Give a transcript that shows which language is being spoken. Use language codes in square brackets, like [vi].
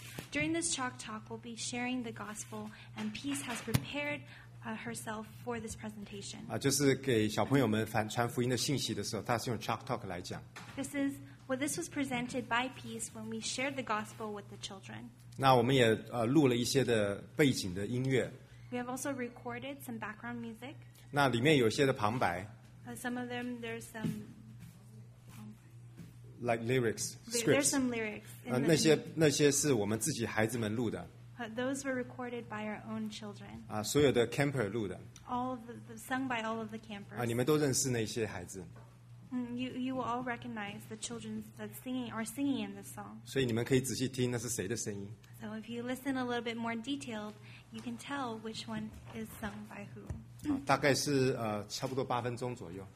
[en] During this Chalk Talk, we'll be sharing the gospel, and Peace has prepared herself for this presentation. [zh] 就是给小朋友们传福音的信息的时候，他是用 Chalk Talk 来讲。 [en] Well, this was presented by Peace when we shared the gospel with the children. [zh] 那我们也录了一些的背景的音乐。 [en] We have also recorded some background music. [zh] 那里面有些的旁白。 [en] Some of them, there's some... Like lyrics, scripts. There's some lyrics. [zh] 那些是我们自己孩子们录的。 [en] Those were recorded by our own children. [zh] 所有的 camper 录的。 [en] All of the, sung by all of the campers. [zh] 你们都认识那些孩子。 [en] You will all recognize the children that are singing in this song. [zh] 所以你们可以仔细听那是谁的声音。 [en] So if you listen a little bit more detailed, you can tell which one is sung by who. [zh] 大概是差不多八分钟左右。